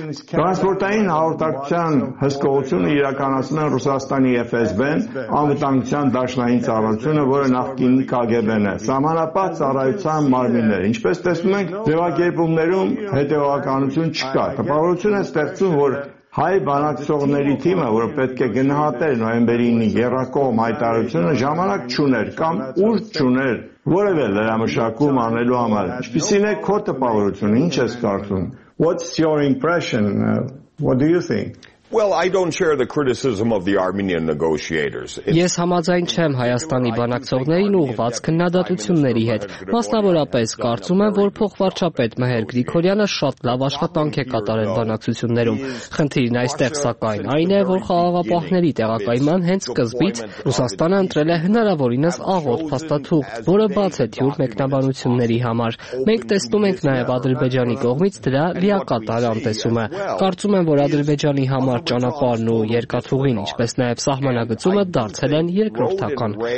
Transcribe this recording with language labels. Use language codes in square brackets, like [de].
[hy] Տրանսպորտային հաղորդակցության հսկողությունը իրականացնում են Ռուսաստանի ՖՍԲ-ն, անվտանգության դաշնային ծառայությունը, որը նախկին ԿԳԲ-ն է, սահմանապահ ծառայության մարմինները։ Ինչպես տեսնում ենք, ձևակերպումներում հետևականություն չկա։ Տպավորություն է ստեղծում, որ հայ բանակցողների թիմը, որը պետք է գնահատեր նոյեմբերի 9-ի Եռակողմ հայտարարությունը, ժամանակ չուներ կամ ուժ չուներ որևէ լրամշակում անելու համար։ Ինչպիսին է քո տպավորությունը, ինչ ես կարծում? [en] What's your impression? What do you think? Well, I don't share the criticism of the Armenian negotiators. [hy] Ես համաձայն չեմ Հայաստանի բանակցողներին ուղված քննադատությունների հետ։ Մասնավորապես կարծում եմ, որ փոխվարչապետ Մհեր Գրիգորյանը շատ լավ աշխատանք է կատարել բանակցություններում։ Խնդիրն այստեղ, սակայն, այն է, որ խաղաղապահների տեղակայման հենց սկզբից Ռուսաստանը ընտրել է հնարավորինս աղոտ փաստաթուղթ, որը բաց է թյուր մեկնաբանությունների համար։ Մենք տեսնում ենք նաև Ադրբեջանի կողմից դրա լիակատար անտեսումը։ Կարծում եմ, որ Ադրբեջանի համար ճանապարհն ու երկաթուղին, ինչպես նաև սահմանագծումը, դարձել են երկրորդական։